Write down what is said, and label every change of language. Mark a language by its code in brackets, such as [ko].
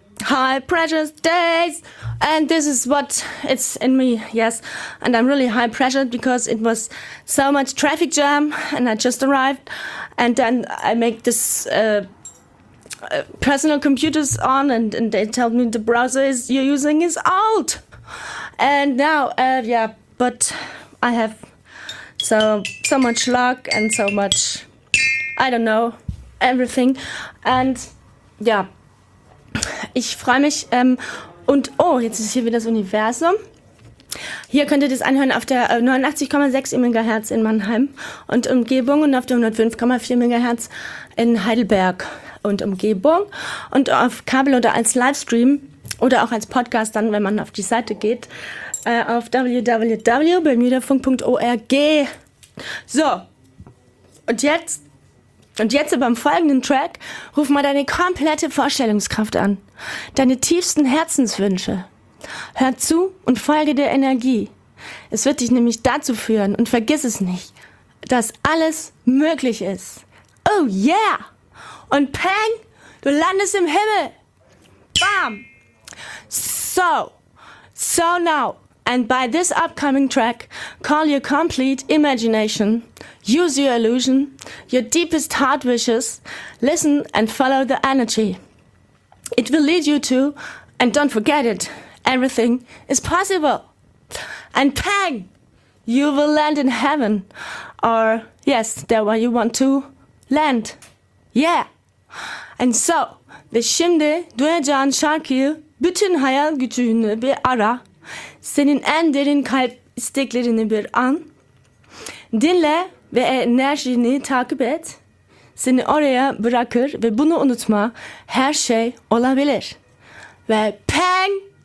[en] Hi, precious days, and this is what it's in me, yes, and I'm really high pressured because it was so much traffic jam, and I just arrived, and then I make this personal computers on, and they tell me the browser is you're using is old, and now, yeah, but I have so much luck and so much, I don't know, everything, and yeah. [de] Ich freue mich und oh, jetzt ist hier wieder das Universum. Hier könnt ihr das anhören auf der 89,6 MHz in Mannheim und Umgebung und auf der 105,4 MHz in Heidelberg und Umgebung und auf Kabel oder als Livestream oder auch als Podcast dann, wenn man auf die Seite geht, auf www.bermudafunk.org. So, und jetzt beim folgenden Track, ruf mal deine komplette Vorstellungskraft an. Deine tiefsten Herzenswünsche. Hör zu und folge der Energie. Es wird dich nämlich dazu führen und vergiss es nicht, dass alles möglich ist. [en] Oh yeah! [de] Und peng, du landest im Himmel. [en] Bam! So now. And by this upcoming track, call your complete imagination, use your illusion, your deepest heart wishes, listen and follow the energy. It will lead you to, and don't forget it, everything is possible. And bang, you will land in heaven, or yes, there where you want to land. Yeah. And so, [tr] ve şimdi duyacağın şarkıyı bütün hayal gücünü bir ara. Senin en derin kalp isteklerini bir an. Dinle ve enerjini takip et. Seni oraya bırakır ve bunu unutma. Her şey olabilir. Ve peng!